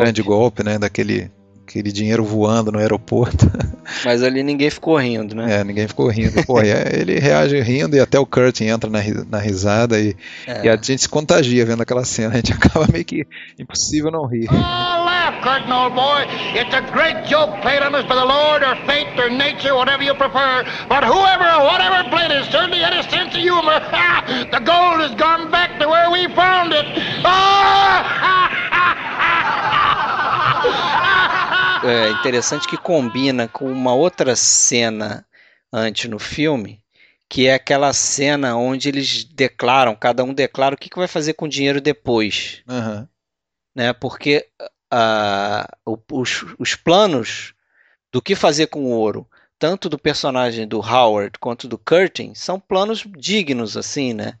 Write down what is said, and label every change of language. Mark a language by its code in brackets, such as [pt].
[pt] Grande Golpe, né? Daquele aquele dinheiro voando no aeroporto. Mas ali ninguém ficou rindo, né? É, ninguém ficou rindo. Pô, ele reage rindo e até o Curtin entra na risada e a gente se contagia vendo aquela cena. A gente acaba meio que impossível não rir. [en] Oh, laugh, Curtin, old boy. It's a great joke played on us by the Lord or fate or nature, whatever you prefer. But whoever or whatever played it certainly had a sense of humor. The gold has gone back to where we found it. [pt] É interessante que combina com uma outra cena antes no filme, que é aquela cena onde eles declaram, cada um declara o que que vai fazer com o dinheiro depois, né? Porque os planos do que fazer com o ouro, tanto do personagem do Howard quanto do Curtin, são planos dignos, assim, né?